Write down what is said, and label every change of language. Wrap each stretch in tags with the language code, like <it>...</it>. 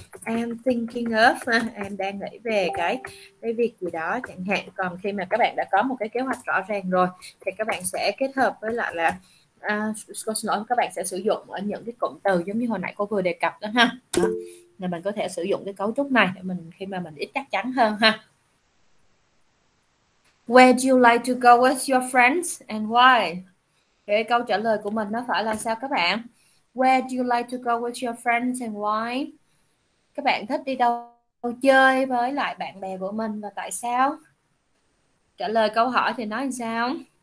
<en>I'm thinking of,</en> <vi>em đang nghĩ về cái việc gì đó chẳng hạn. Còn khi mà các bạn đã có một cái kế hoạch rõ ràng rồi thì các bạn sẽ kết hợp với lại là cô xin lỗi, các bạn sẽ sử dụng ở những cái cụm từ giống như hồi nãy cô vừa đề cập đó ha. Đó. Là mình có thể sử dụng cái cấu trúc này để mình khi mà mình ít chắc chắn hơn ha.</vi> <en>Where do you like to go with your friends and why?</en> <vi>Cái câu trả lời của mình nó phải là sao các bạn?</vi> <en>Where do you like to go with your friends and why?</en> <vi>Các bạn thích đi đâu chơi với lại bạn bè của mình và tại sao? Trả lời câu hỏi thì nói làm sao?</vi>